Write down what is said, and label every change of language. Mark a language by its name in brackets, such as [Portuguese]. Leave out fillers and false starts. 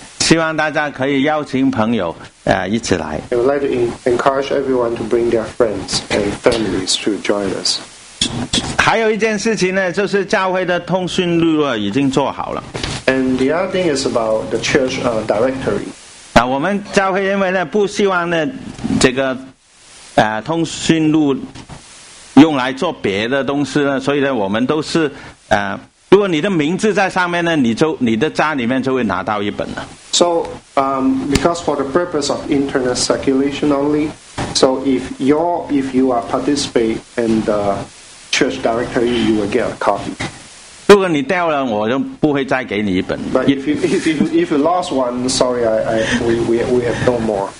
[Chinese] 希望大家可以邀请朋友一起来。 [English] I would like to encourage everyone to bring their friends and families to join us. [Chinese] 还有一件事情呢，就是教会的通讯录已经做好了。 [English] And the other thing is about the church directory. [Chinese] 我们教会因为呢不希望呢这个通讯录用来做别的东西呢，所以呢我们都是如果你的名字在上面呢，你的家里面就会拿到一本了。 [English] So because for the purpose of internet circulation only, so if you are participate in thechurch directory, you will get a copy. [Chinese] 如果你掉了，我就不会再给你一本。 [English] But if you lost one, sorry, we have no more.